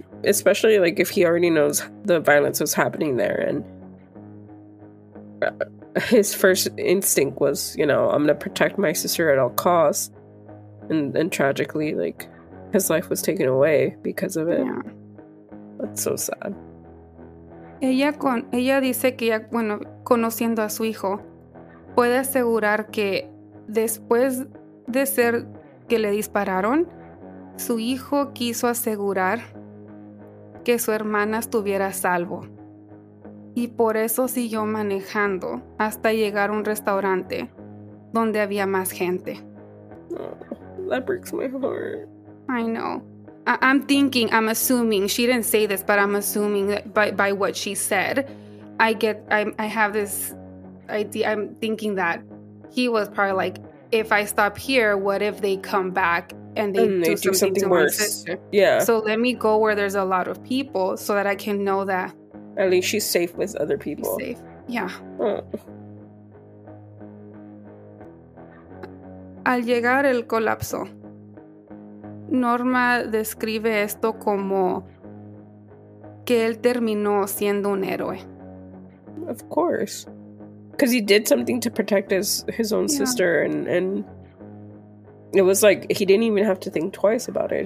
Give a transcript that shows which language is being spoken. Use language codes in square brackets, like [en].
[en] Especially, like, if he already knows the violence was happening there. And his first instinct was, you know, I'm going to protect my sister at all costs. And tragically, like, his life was taken away because of it. Yeah. That's so sad. [es] Ella dice que, conociendo a su hijo, puede asegurar que después de ser que le dispararon, su hijo quiso asegurar que su hermana estuviera a salvo. Y por eso siguió manejando hasta llegar a un restaurante donde había más gente. [en] Oh, that breaks my heart. I know. I'm assuming, she didn't say this, but I'm assuming that by what she said, I'm thinking that he was probably like, if I stop here, what if they come back and do something worse. My sister? Yeah. So let me go where there's a lot of people so that I can know that. At least she's safe with other people. She's safe. Yeah. Oh. [es] Al llegar el colapso, Norma describe esto como que él terminó siendo un héroe. [en] Of course. Because he did something to protect his own sister, and it was like he didn't even have to think twice about it.